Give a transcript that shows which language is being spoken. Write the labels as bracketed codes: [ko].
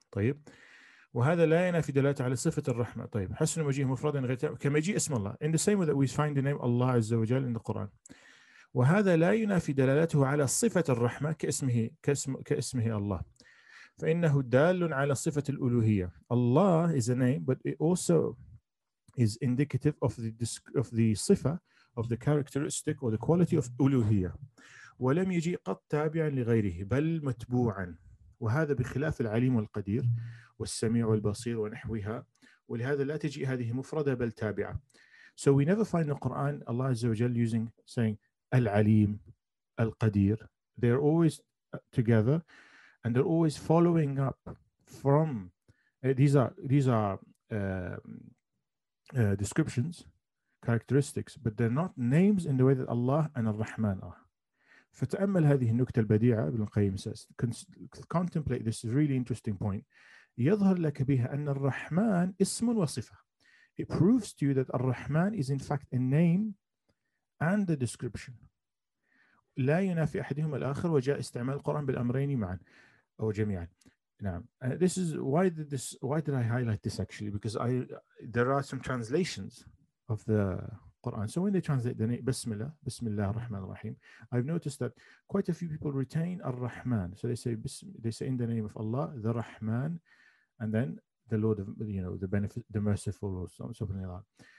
[ar] طيب وهذا لا ينافي دلالته على صفة الرحمة. طيب حسن مجيه مفردا غير تابع كمجيء اسم الله. [en] In the same way that we find the name Allah [ar] عز وجل [en] in the Quran. [ar] وهذا لا ينافي دلالته على صفة الرحمة كاسمه الله. فإنه دال على صفة الألوهية. [en] Allah is a name, but it also is indicative of the صفة, of the characteristic or the quality of ألوهية. [ar] ولم يجي قط تابعا لغيره بل متبوعا. وهذا بخلاف العليم والقدير والسميع والبصير ونحوها. ولهذا لا تجي هذه مفردة بل تابعة. [en] So we never find the Quran Allah [ar] عز وجل [en] saying العليم القدير. They are always together, and they're always following up from descriptions, characteristics, but they're not names in the way that Allah and Ar-Rahman are. [ar] فتأمل هذه النكتة البديعة. [en] ابن القيم says, contemplate this really interesting point. [ar] يظهر لك بها أن الرحمن اسم وصفة. [en] It proves to you that الرحمن is in fact a name and a description. [ar] لا ينافي أحدهم الآخر وجاء استعمال القرآن بالأمرين معا أو جميعا. [en] Now, this is why did I highlight this actually? Because there are some translations of the Quran. So when they translate the name Bismillah, Bismillah Rahman Rahim, I've noticed that quite a few people retain Ar-Rahman. So they say in the name of Allah, the Rahman, and then the Lord of, you know, the benefit, the merciful, or something like that.